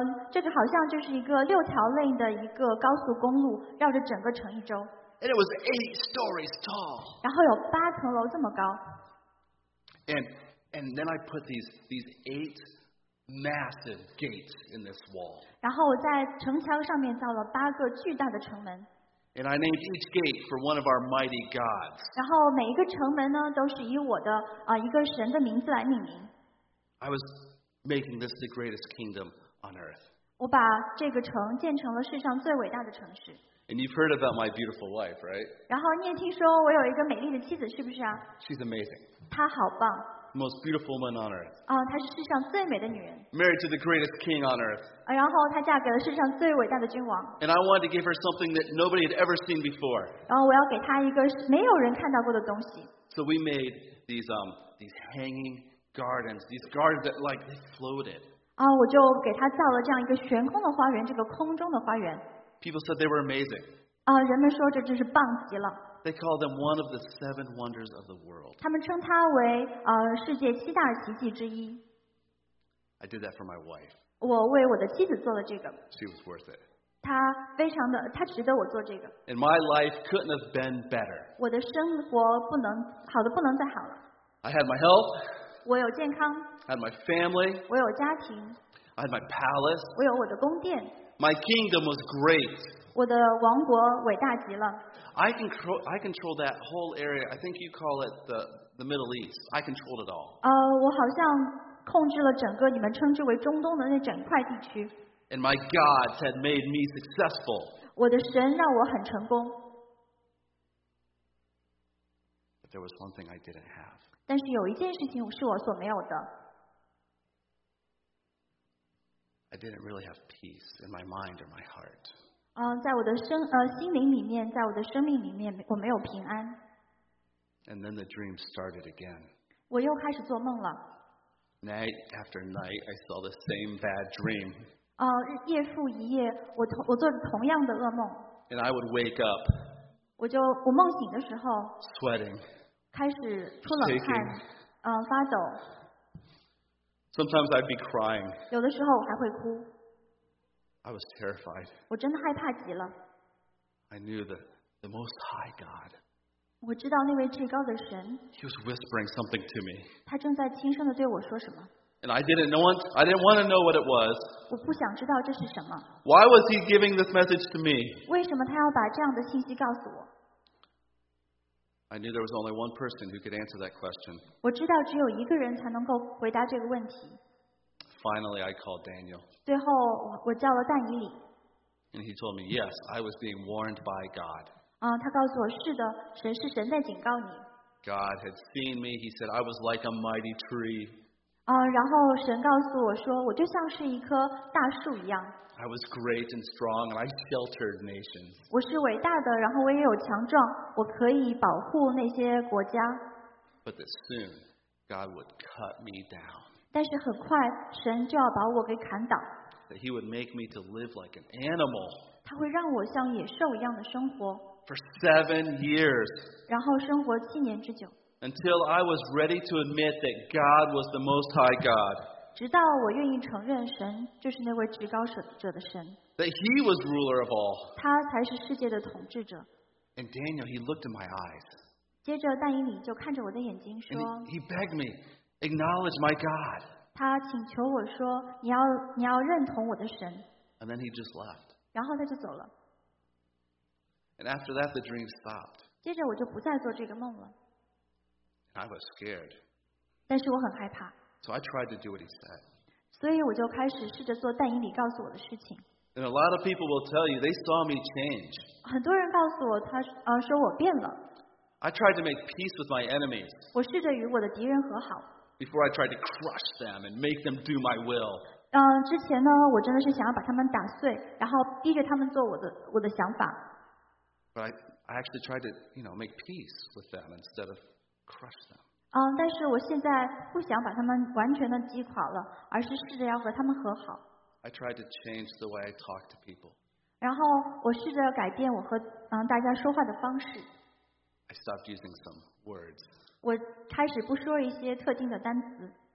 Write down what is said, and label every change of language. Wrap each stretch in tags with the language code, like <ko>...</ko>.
<zh>这个好像就是一个六条 lane 的一个高速公路，绕着整个城一周。</zh> <en>And it was eight stories tall.</en> <zh>然后有八层楼这么高。</zh> <en>And then I put these eight massive gates in this wall.</en> <zh>然后我在城墙上面造了八个巨大的城门。</zh> <en>And I named each gate for one of our mighty gods.</en> <zh>然后每一个城门呢，都是以我的一个神的名字来命名。</zh> <en>I was making this the greatest kingdom on earth.</en> <zh>我把这个城建成了世上最伟大的城市。</zh> <en>And you've heard about my beautiful wife, right?</en> <zh>然后你也听说我有一个美丽的妻子，是不是啊？</zh> <en>She's amazing.</en> <zh>她好棒。</zh> <en>Most beautiful woman on earth.</en> <zh>她是世上最美的女人。</zh> <en>Married to the greatest king on earth.</en> <zh>然后她嫁给了世上最伟大的君王。</zh> <en>And I wanted to give her something that nobody had ever seen before.</en> <zh>然后我要给她一个没有人看到过的东西。</zh> <en>So we made these hanging gardens, these gardens that like they floated.</en> <zh>我就给她造了这样一个悬空的花园，这个空中的花园。</zh> <en>People said they were amazing.</en> <zh>人们说这真是棒极了。</zh> <en>They call them one of the seven wonders of the world.</en> <zh>他们称它为世界七大奇迹之一。</zh> <en>I did that for my wife.</en> <zh>我为我的妻子做了这个。</zh> <en>She was worth it.</en> <zh>她值得我做这个。</zh> <en>And my life couldn't have been better.</en> <zh>我的生活不能好的不能再好了。</zh> <en>I had my health.</en> <zh>我有健康。</zh> <en>I had my family.</en> <zh>我有家庭。</zh> <en>I had my palace.</en> <zh>我有我的宫殿。</zh> <en>My kingdom was great.</en> <zh>我的王国伟大极了。</zh> <en>I control that whole area. I think you call it the Middle East. I controlled it all.</en> <zh>我好像控制了整个你们称之为中东的那整块地区。</zh> <en>And my gods had made me successful.</en> <zh>我的神让我很成功。</zh> <en>But there was one thing I didn't have.</en> <zh>但是有一件事情是我所没有的。</zh> <en>I didn't really have peace in my mind or my heart.</en> <zh>在我的心灵里面，在我的生命里面，我没有平安。</zh> <en>And then the dream started again.</en> <zh>我又开始做梦了。</zh> <en>Night after night, I saw the same bad dream.</en> <zh>夜复一夜，我做着同样的噩梦。</zh> <en>And I would wake up.</en> <zh>我梦醒的时候。</zh> <en>Sweating.</en> <zh>开始出冷汗。发抖。</zh> <en>Sometimes I'd be crying.</en> <zh>有的时候我还会哭。</zh> <en>I was terrified.</en> <zh>我真的害怕极了。</zh> <en>I knew the Most High God.</en> <zh>我知道那位至高的神。</zh> <en>He was whispering something to me.</en> <zh>他正在轻声地对我说什么。</zh> <en>And I didn't want to know what it was.</en> <zh>我不想知道这是什么。</zh> <en>Why was he giving this message to me?</en> <zh>为什么他要把这样的信息告诉我？</zh> <en>I knew there was only one person who could answer that question.</en> <zh>我知道只有一个人才能够回答这个问题。</zh> <en>Finally, I called Daniel.</en> <zh>最后我叫了但以理。</zh> <en>And he told me, yes, I was being warned by God.</en> <zh>他告诉我是的，神是神在警告你。</zh> <en>God had seen me. He said, I was like a mighty tree.</en> <zh>然后神告诉我说，我就像是一棵大树一样。</zh> <en>I was great and strong, and I sheltered nations.</en> <zh>我是伟大的，然后我也有强壮，我可以保护那些国家。</zh> <en>But soon, God would cut me down.</en> <zh>但是很快，神就要把我给砍倒。</zh> <en>That He would make me to live like an animal.</en> <zh>他会让我像野兽一样的生活。</zh> <en>For 7 years.</en> <zh>然后生活七年之久。</zh> <en>Until I was ready to admit that God was the Most High God.</en> <zh>直到我愿意承认神就是那位至高者的神。</zh> <en>That he was ruler of all.</en> <zh>他才是世界的统治者。</zh> <en>And Daniel, he looked in my eyes.</en> <zh>接着但以理就看着我的眼睛说。</zh> <en>He begged me, acknowledge my God.</en> <zh>他请求我说你要认同我的神。</zh> <en>And then he just left.</en> <zh>然后他就走了。</zh> <en>And after that, the dream stopped.</en> <zh>接着我就不再做这个梦了。</zh> <en>And I was scared.</en> <zh>但是我很害怕。</zh> <en>So I tried to do what he said.</en> <zh>所以我就开始试着做但以理告诉我的事情。</zh> <en>And a lot of people will tell you they saw me change.</en> <zh>很多人告诉我他说我变了。</zh> <en>I tried to make peace with my enemies.</en> <zh>我试着与我的敌人和好。</zh> <en>Before I tried to crush them and make them do my will.</en> <zh>之前呢，我真的是想要把他们打碎，然后逼着他们做我的想法。</zh> <en>But I actually tried to, you know, make peace with them instead of crush them.</en> <zh>但是我现在不想把他们完全的击垮了，而是试着要和他们和好。</zh> <en>I tried to change the way I talk to people.</en> <zh>然后我试着改变我和大家说话的方式。</zh> <en>I stopped using some words.</en> <zh>我开始不说一些特定的单词。</zh>